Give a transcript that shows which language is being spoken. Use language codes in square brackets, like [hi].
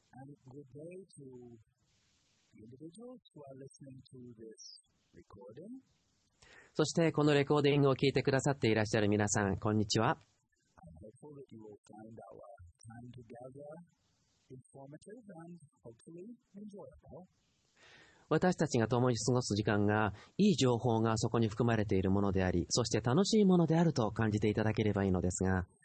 [en] And good day to the individuals who are listening to this recording. [ja] そしてこのレコーディングを聞いてくださっていらっしゃる皆さん、こんにちは。 [en] I hope that you will find our time together informative and hopefully enjoyable. [ja] 私たちが共に過ごす時間が、いい情報がそこに含まれているものであり、そして楽しいものであると感じていただければいいのですが。